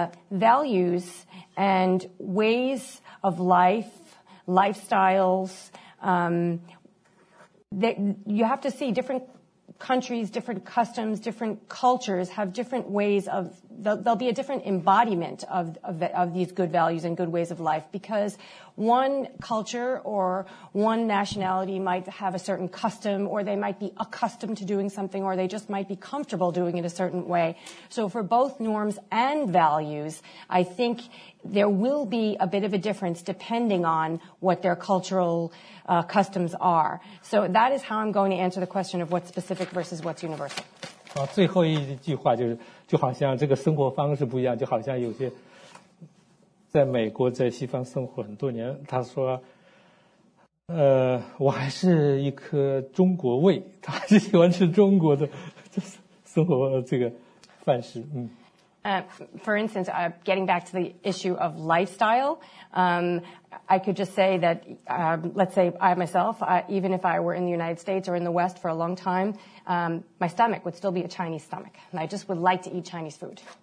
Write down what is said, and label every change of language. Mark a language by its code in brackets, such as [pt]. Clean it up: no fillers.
[en] Values and ways of life, lifestyles, you have to see different countries, different customs, different cultures have different ways of, there'll be a different embodiment of these good values and good ways of life, because one culture or one nationality might have a certain custom, or they might be accustomed to doing something, or they just might be comfortable doing it a certain way. So for both norms and values, I think there will be a bit of a difference depending on what their cultural customs are. So that is how I'm going to answer the question of what's specific versus what's universal. [zh] 最后一句话就是，就好像这个生活方式不一样，就好像有些在美国在西方生活很多年，他说我还是一颗中国胃，他还是喜欢吃中国的生活这个饭食。 [en] For instance, getting back to the issue of lifestyle, I could just say that, let's say I myself, even if I were in the United States or in the West for a long time, my stomach would still be a Chinese stomach, and I just would like to eat Chinese food.